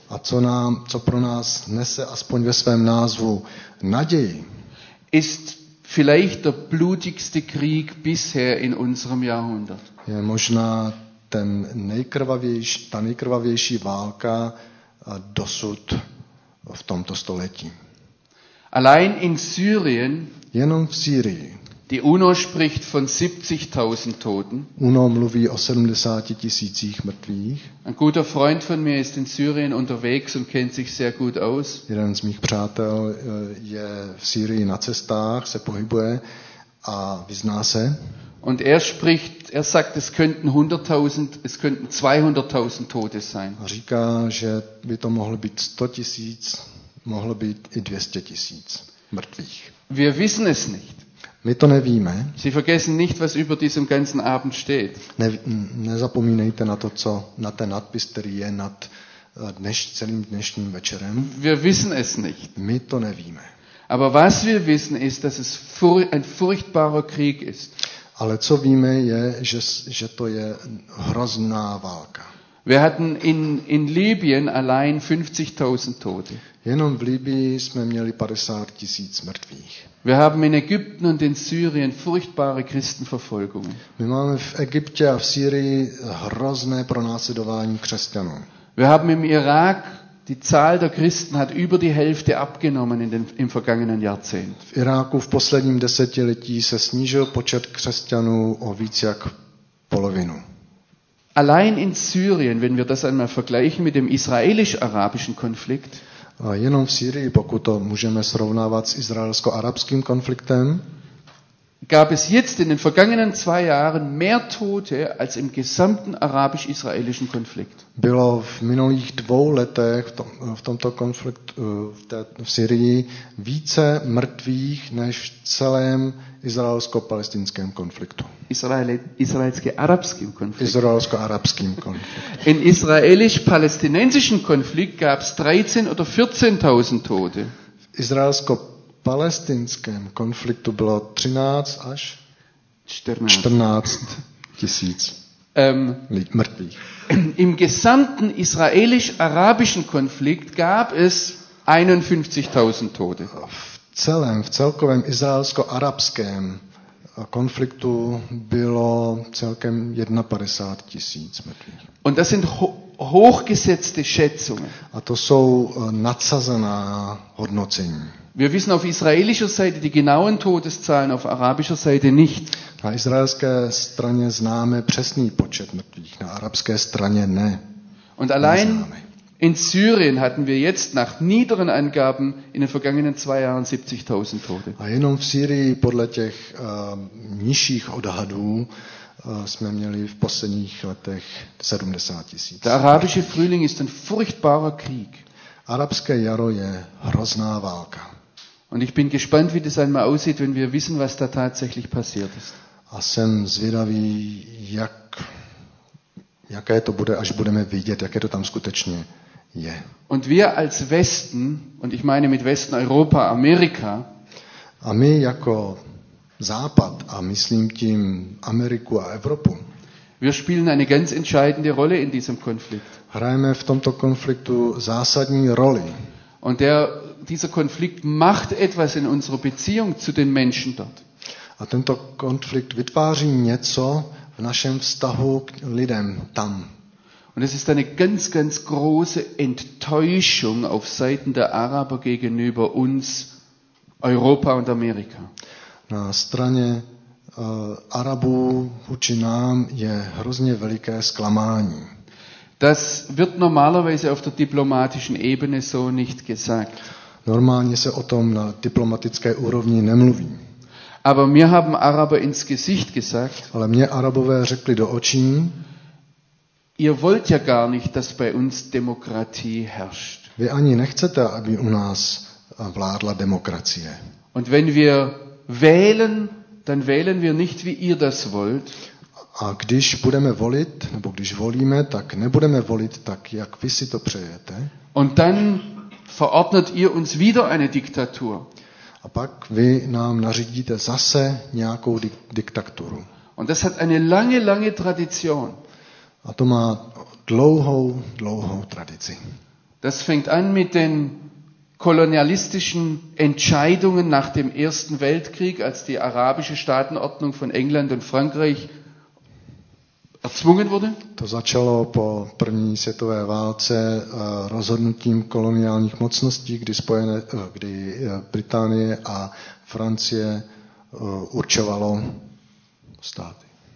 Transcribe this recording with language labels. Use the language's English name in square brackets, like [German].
[Czech] a co nám, co pro nás nese aspoň ve svém názvu naději, [German] ist vielleicht der blutigste Krieg bisher in unserem Jahrhundert. [Czech] Je možná ten nejkrvavější, ta nejkrvavější válka dosud v tomto století. [German] Allein in Syrien, [Czech] jenom v Syrii, [German] die UNO spricht von 70.000 Toten. [Czech] UNO mluví o 70.000 mrtvých. [German] Ein guter Freund von mir ist in Syrien unterwegs und kennt sich sehr gut aus. [Czech] Jeden z mých přátel je v Syrii na cestách, se pohybuje a vyzná se. [German] Und er sagt, es könnten 100.000, es könnten 200.000 Tote sein. [Czech] A říká, že by to mohlo být 100.000. Mohlo být i 200.000 mrtvých. [German] Wir wissen es nicht. [Czech] My to nevíme. [German] Sie vergessen nicht, was über diesem ganzen Abend steht. [Czech] Nezapomínejte na to, co na ten nadpis, který je nad celým dnešním večerem. [German] Wir wissen es nicht. [Czech] My to nevíme. [German] Aber was wir wissen ist, dass es ein furchtbarer Krieg ist. [Czech] Ale co víme je, že to je hrozná válka. [German] Wir hatten in Libyen allein 50.000 Tote. [Czech] Jenom v Libii jsme měli 50.000 mrtvých. [German] Wir haben in Ägypten und in Syrien furchtbare Christenverfolgung. [Czech] My máme v Egyptě a v Syrii hrozné pronásledování křesťanů. [German] Wir haben im Irak Die Zahl der Christen hat über die Hälfte abgenommen im vergangenen Jahrzehnt. [Czech] V Iráku v posledním desetiletí se snížil počet křesťanů o víc jak polovinu. [German] Allein in Syrien, wenn wir das einmal vergleichen mit dem israelisch-arabischen Konflikt, [Czech] a jenom v Syrii, pokud to můžeme srovnávat s izraelsko-arabským konfliktem, [German] gab es jetzt in den vergangenen zwei Jahren mehr Tote als im gesamten arabisch-israelischen Konflikt. [Czech] Bylo v minulých dvou letech v tomto konfliktu v Syrii více mrtvých než v celém izraelsko-palestinském konfliktu. Izraelsko-arabským konfliktu. [German] In israelisch-palästinensischen Konflikt gab es 13 oder 14.000 Tote. [Czech] V palestinském konfliktu bylo 13 až 14 tisíc mrtvých. [German] Im gesamten israelisch-arabischen Konflikt gab es 51.000 Tote. [Czech] V celkovém izraelsko-arabském konfliktu bylo celkem 51 tisíc mrtvých. [German] Und das sind hochgesetzte Schätzungen. [Czech] A to jsou nadsazená hodnocení. [German] Wir wissen auf israelischer Seite die genauen Todeszahlen, auf arabischer Seite nicht. [Czech] Na israelské straně známe přesný počet mrtvých, na arabské straně ne. [German] Und allein in Syrien hatten wir jetzt nach niederen Angaben in den vergangenen zwei Jahren 70.000 Tote. [Czech] A jenom v Syrii podle těch nižších odhadů jsme měli v posledních letech 70 tisíc. [German] Der arabische Frühling ist ein furchtbarer Krieg. [Czech] Arabské jaro je hrozná válka. [German] Und ich bin gespannt, wie das einmal aussieht, wenn wir wissen, was da tatsächlich passiert ist. [Czech] A jsem zvědavý, jaké to bude, až budeme vidět, jaké to tam skutečně je. [German] Und wir als Westen, und ich meine mit Westen Europa, Amerika. [Czech] A my jako Západ, a myslím tím Ameriku a Evropu. [German] Wir spielen eine ganz entscheidende Rolle in diesem Konflikt. [Czech] Hrajeme v tomto konfliktu zásadní roli. [German] Und dieser Konflikt macht etwas in unserer Beziehung zu den Menschen dort. [Czech] A tento konflikt vytváří něco v našem vztahu k lidem tam. [German] Und es ist eine ganz, ganz große Enttäuschung auf Seiten der Araber gegenüber uns, Europa und Amerika. [Czech] Na straně Arabů vůči nám je hrozně veliké zklamání. [German] Das wird normalerweise auf der diplomatischen Ebene so nicht gesagt. [Czech] Normálně se o tom na diplomatické úrovni nemluví. [German] Aber mir haben Araber ins Gesicht gesagt. [Czech] Ale mě Arabové řekli do očí. [German] Ihr wollt ja gar nicht, dass bei uns Demokratie herrscht. [Czech] Vy ani nechcete, aby u nás vládla demokracie. [German] Und wenn wir wählen, dann wählen wir nicht, wie ihr das wollt. [Czech] A když budeme volit, nebo když volíme, tak nebudeme volit tak, jak vy si to přejete. [German] Und dann verordnet ihr uns wieder eine Diktatur. [Czech] A pak vy nám nařídíte zase nějakou diktaturu. [German] Und das hat eine lange, lange Tradition. [Czech] A to má dlouhou, dlouhou tradici. [German] Das fängt an mit den kolonialistischen Entscheidungen nach dem Ersten Weltkrieg, als die arabische Staatenordnung von England und Frankreich erzwungen wurde. [Czech] To začalo po první světové válce rozhodnutím koloniálních mocností, kdy Británie a Francie určovalo státy.